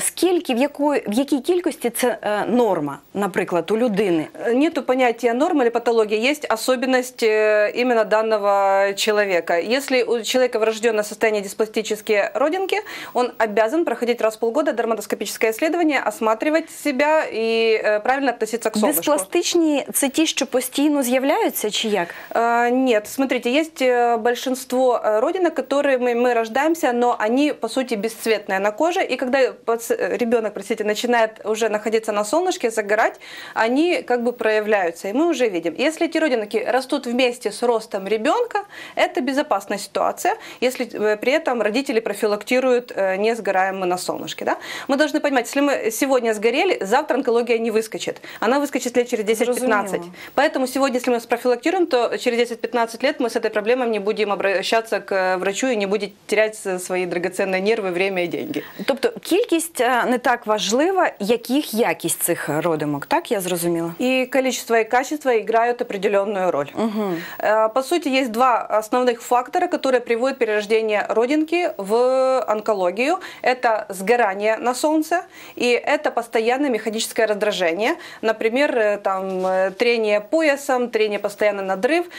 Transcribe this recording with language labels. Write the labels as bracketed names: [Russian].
[Ukrainian] Скільки, в якій кількості це норма, наприклад, у людини? [Russian] Нету [Ukrainian] поняття норми чи патології. Є особливість іменно даного чоловіка. Якщо у чоловіка врождене [Russian] состояние [Ukrainian] диспластичні родинки, він [Russian] обязан [Ukrainian] проходити раз в півгода дерматоскопічне дослідження, осматривати себе і правильно відноситися до сонця. [Russian] есть пластичные, это те, что постоянно появляются, [Ukrainian] чи як? [Russian] Нет, смотрите, есть большинство родинок, которые мы рождаемся, но они, по сути, бесцветные на коже. И когда ребенок, простите, начинает уже находиться на солнышке, загорать, они как бы проявляются, и мы уже видим. Если эти родинки растут вместе с ростом ребенка, это безопасная ситуация, если при этом родители профилактируют, не сгораем мы на солнышке. Да? Мы должны понимать, если мы сегодня сгорели, завтра онкология не выскочит. Она выскочит лет через 10-15. [Ukrainian] Разумею. [Russian] Поэтому сегодня, если мы профилактируем, то через 10-15 лет мы с этой проблемой не будем обращаться к врачу и не будем терять свои драгоценные нервы, время и деньги. [Ukrainian] Тобто, кількість не так важлива, яких якість цих родимок. Так я зрозуміла? [Russian] И количество и качество играют определенную роль. Угу. По сути, есть два основных фактора, которые приводят перерождение родинки в онкологию. Это сгорание на солнце и это постоянное механическое раздражение. Например, там, трение поясом, трение постоянно надрыв.